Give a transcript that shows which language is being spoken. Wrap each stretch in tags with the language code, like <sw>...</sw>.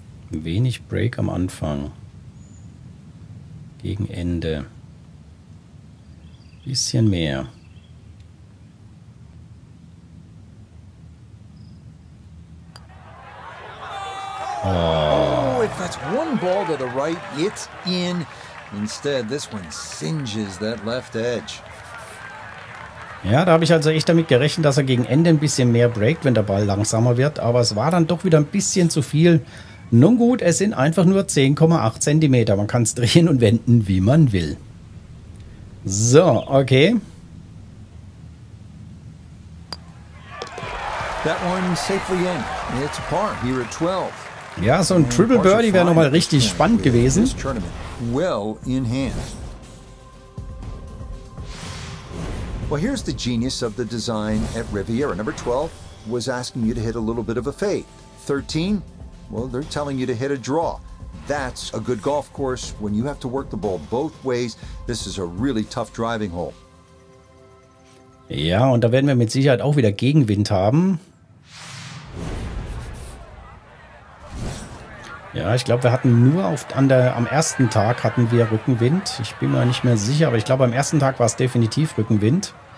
<de>Wenig Break am Anfang. Gegen Ende. Bisschen mehr.</de> <en>Oh, if that's one ball to the right, it's in. Instead, this one singes that left edge.</en> <de>Ja, da habe ich also echt damit gerechnet, dass er gegen Ende ein bisschen mehr breakt, wenn der Ball langsamer wird. Aber es war dann doch wieder ein bisschen zu viel. Nun gut, es sind einfach nur 10,8 cm. Man kann es drehen und wenden, wie man will. So, okay.</de> <en>That one safely in. It's a par here at 12.</en> <de>Ja, so ein Triple Birdie wäre nochmal richtig spannend gewesen.</de> <en>Well in hand. Well, here's the genius of the design at Riviera. Number 12 was asking you to hit a little bit of a fade. 13, well, they're telling you to hit a draw. That's a good golf course when you have to work the ball both ways. This is a really tough driving hole.</en> <de>Ja, und da werden wir mit Sicherheit auch wieder Gegenwind haben. Ja, ich glaube, wir hatten nur am ersten Tag hatten wir Rückenwind. Ich bin mir nicht mehr sicher, aber ich glaube, am ersten Tag war es definitiv Rückenwind.</de>